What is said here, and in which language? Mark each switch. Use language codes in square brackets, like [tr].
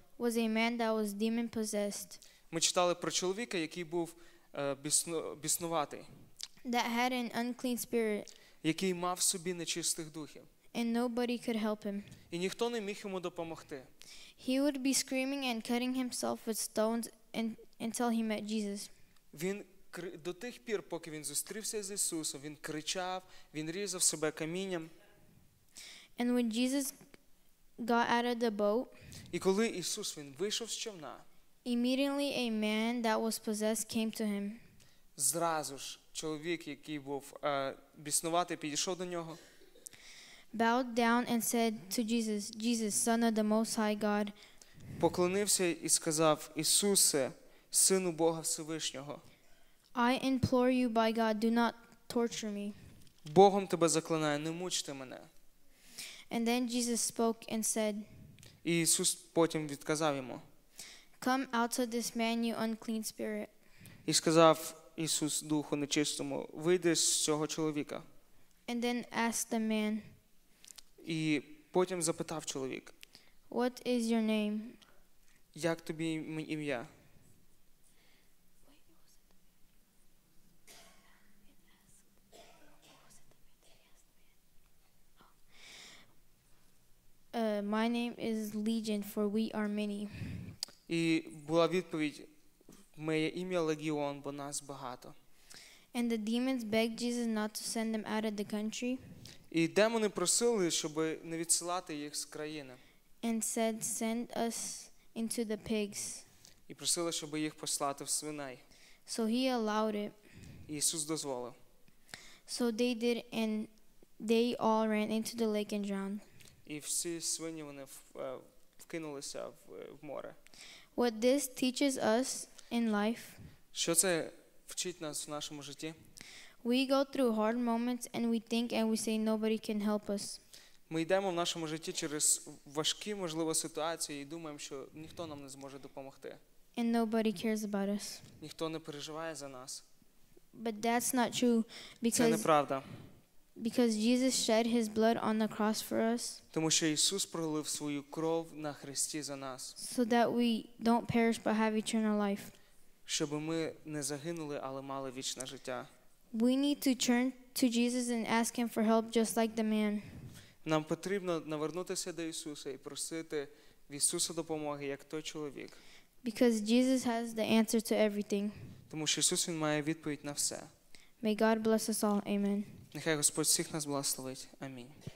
[en] Was a man that was demon possessed. [uk] Ми читали про чоловіка, який був біснуватий. [en] That had an unclean spirit. [uk] Який мав в собі нечистих духів. [en] And nobody could help him. [uk] І ніхто не міг йому допомогти. [en] He would be screaming and cutting himself with stones until he met Jesus. [uk] Він до тих пір, поки він зустрівся з Ісусом, він кричав, він різав себе камінням. [en] And when Jesus got out of the boat, [uk] і коли Ісус, він вийшов з човна, [en] immediately a man that was possessed came to him. [uk] Зразу ж чоловік, який був біснуватий, підійшов до нього. [en] Bowed down and said to Jesus, Jesus, Son of the Most High God. [uk] Поклонився і сказав: Ісусе, Сину Бога Всевишнього. [en] I implore you by God, do not torture me. [uk] Богом тебе заклинаю, не мучте мене. [en] And then Jesus spoke and said, [uk] і Ісус потім відказав йому: [en] Come out of this man, you unclean spirit. [uk] І сказав Ісус духу нечистому: Вийди з цього чоловіка. [en] And then asked the man, [uk] і потім запитав чоловік: [en] What is your name? [uk] Як тобі ім'я? [en] My name is Legion, for we are many. [uk] І була відповідь: моє ім'я Легіон, бо нас багато. [en] And the demons begged Jesus not to send them out of the country. [uk] І демони просили, щоб не відсилати їх з країни. [en] And said, send us into the pigs. [uk] І просили, щоб їх послати в свиней. [en] So he allowed it. [uk] Ісус дозволив. [en] So they did, and they all ran into the lake and drowned. [uk] І всі свині, вони вкинулися в море. [en] What this teaches us in life? [uk] Що це вчить нас в нашому житті? [en] We go through hard moments and we think and we say nobody can help us. [uk] Ми йдемо в нашому житті через важкі, можливо, ситуації і думаємо, що ніхто нам не зможе допомогти. [en] And nobody cares about us. [uk] Ніхто не переживає за нас. [en] But that's not true, because [uk] це неправда. [en] Because Jesus shed his blood on the cross for us. [uk] Тому що Ісус пролив свою кров на хресті за нас. [en] So that we don't perish but have eternal life. [uk] Щоб ми не загинули, але мали вічне життя. [en] We need to turn to Jesus and ask him for help just like the man. [uk] Нам потрібно навернутися до Ісуса і просити в Ісуса допомоги, як той чоловік. [en] Because Jesus has the answer to everything. [uk] Тому що Ісус, він має відповідь на все. [en] May God bless us all. Amen. [uk] Нехай Господь всіх нас благословить. Амінь.